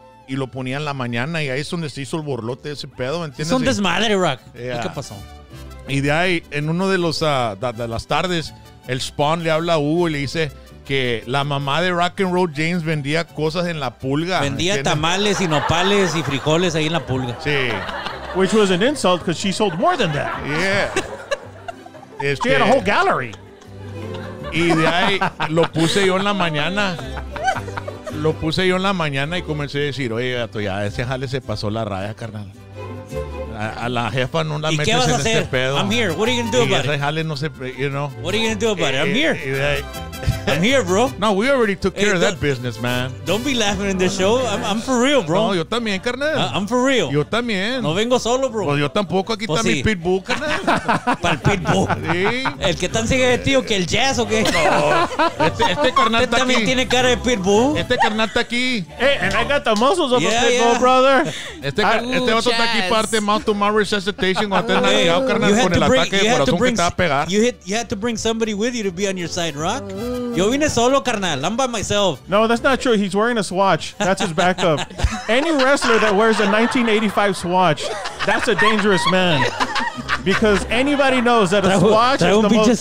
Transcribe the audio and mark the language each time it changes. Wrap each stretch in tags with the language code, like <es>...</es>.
<es>Y lo ponía en la mañana, y ahí es donde se hizo el borlote ese pedo, ¿entiendes? Es un desmadre, Rock.</es> <en>Yeah.</en> <es>¿Qué pasó? Y de ahí, en uno de los de las tardes, el Spawn le habla a Hugo y le dice que la mamá de Rock and Roll James vendía cosas en la pulga. Vendía, ¿entiendes?, tamales y nopales y frijoles ahí en la pulga. Sí.</es> <en>Which was an insult because she sold more than that. Yeah. She had a whole gallery.</en> <es>Y de ahí lo puse yo en la mañana. Lo puse yo en la mañana y comencé a decir, oye, gato, ya ese jale se pasó la raya, carnal. A la jefa no la ¿y metes qué vas en a hacer? Este pedo.</es> <en>I'm here. What are you going to do about it?</en> <es>Ese jale no se,</es> <en>you know. What are you going to do about it? I'm here. I'm here, bro. No, we already took care of that business, man. Don't be laughing in this show. I'm for real, bro.</en> <es>No, yo también, carnal.</es> <en>I'm for real.</en> <es>Yo también. No vengo solo, bro. Pues yo tampoco. Aquí está mi pitbull, carnal. Para el pitbull. Sí. ¿El que tan sigue de tío que el jazz o qué? Este carnal está aquí. También tiene cara de pitbull. Este carnal está aquí.</es> <en>Hey, and I got the muscles of a pitbull, brother.</en> <es>Este vato está aquí parte</es> <en>mouth to mouth resuscitation</en> <es>cuando está navegado, carnal, con el ataque de corazón que te va a pegar.</es> <en>You had to bring somebody with you to be on your side, Rock.</en> <es>Yo vine solo, carnal.</es> <en>I'm by myself. No, that's not true. He's wearing a Swatch. That's his backup. Any wrestler that wears a 1985 Swatch, that's a dangerous man. Because anybody knows that a Swatch is the most...</en>